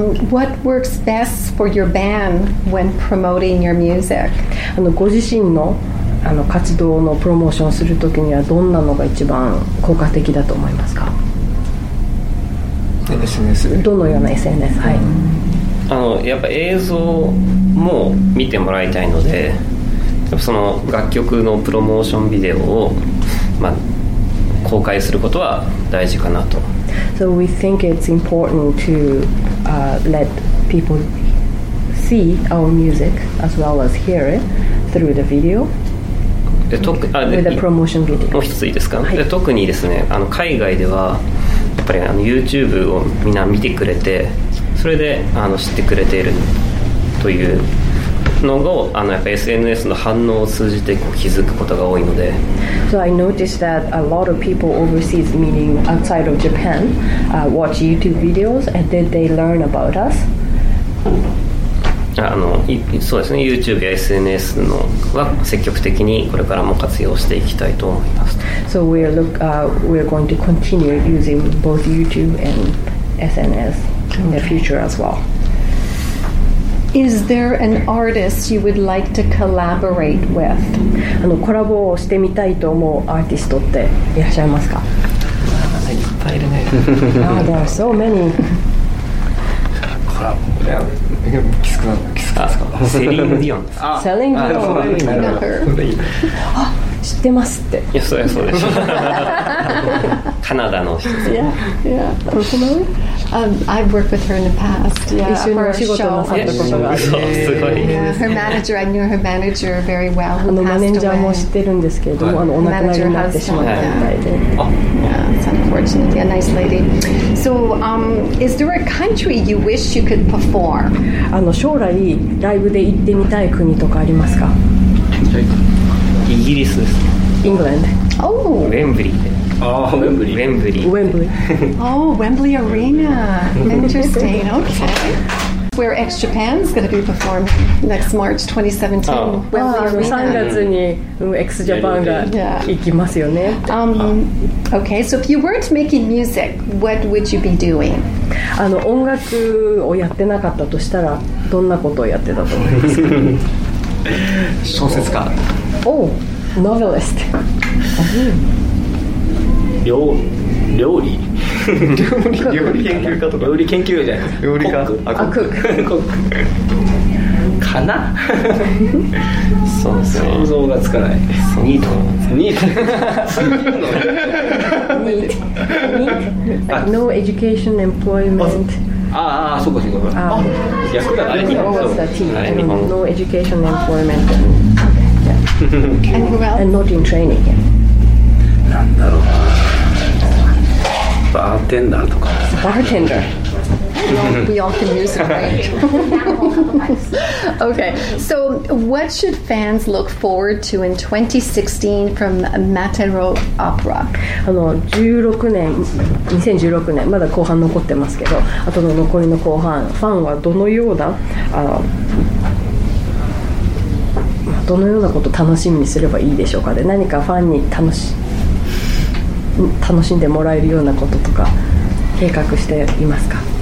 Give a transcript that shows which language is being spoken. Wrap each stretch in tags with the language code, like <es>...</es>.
<en>What works best for your band when promoting your music?</en> <ja>あのご自身のあの活動のプロモーションするときにはどんなのが一番効果的だと思いますか？ SNS。どのような SNS？ はい。あのやっぱ映像も見てもらいたいので、やっぱその楽曲のプロモーションビデオを、まあ、公開することは大事かなと。</ja> <en>So we think it's important to、let people see our music as well as hear it through the video. With the promotion video.</en> <ja>もう一ついいですか？はい、で特にですね、あの海外ではやっぱりあの YouTube をみんな見てくれて、それであの知ってくれているというのをあのやっぱ SNS の反応を通じて気づくことが多いので。</ja> <en>So I noticed that a lot of people overseas, meaning outside of Japan,、watch YouTube videos and then they learn about us.</en> <ja>あのそうですね、YouTube や SNS のは積極的にこれからも活用していきたいと思います。</ja> <en>So we're going to continue using both YouTube and SNS in the future as well. Is there an artist you would like to collaborate with?</en> <ja>あのコラボをしてみたいと思うアーティストっていらっしゃいますか？いっぱいいるね。 Ah, there are so many. コラボ、いや、キスクなんだ、キスクですか？セリーヌ・ディオン。セリーヌ・ディオン。あ、それいいな。あ、知ってますって。いや、それはそうです。カナダの人。</ja> <en>Yeah, yeah. Personally, I've worked with her in the past. Yeah,</en> <ja>一緒にお仕事なさったことがある。そう、すごい。</ja> <en>Her manager, I knew her manager very well.</en> <ja>あのマネージャーも知ってるんですけれども、あのお亡くなりになってしまったみたいで。</ja> <en>Unfortunately, a nice lady. So, is there a country you wish you could perform?</en> <ja>あの将来ライブで行ってみたい国とかありますか？イギリスです。</ja> <en>England. Oh. Wembley. Oh, Wembley. Wembley. Wembley. Oh, Wembley Arena. Interesting. Okay. Where X Japan is going to be performed next March 2017.</en> <ja>Oh. Wembley Arena. 3月に X Japan が行きますよね。</ja> <en>Okay, so if you weren't making music, what would you be doing?</en> <ja>あの音楽をやってなかったとしたらどんなことをやってたと思いますか？小説家。 Oh, novelist. 料理料理研究家とか料理研究家じゃない、料理家、コック、コックかなそうそう、想像がつかない、ニートニート</ja> <en>ニートニート、 No education, employment、</en> <ja>ああ、そうか、そうか、あ、役だ、あれ日本語、あれ日本語、</ja> <en>No education, employment、 Anywhere else? And not in training yet。</en> <ja>なんだろう、バーテンダーとか。バーテンダ</ja> <en>ー。 We all can use it, right? Okay, so what should fans look forward to in 2016 from Matenrou Opera?</en> <ja>あの2016年まだ後半残ってますけど、あとの残りの後半、ファンはどのようなどのようなことを楽しみにすればいいでしょうかで、何かファンに楽しんでもらえるようなこととか計画していますか？</ja>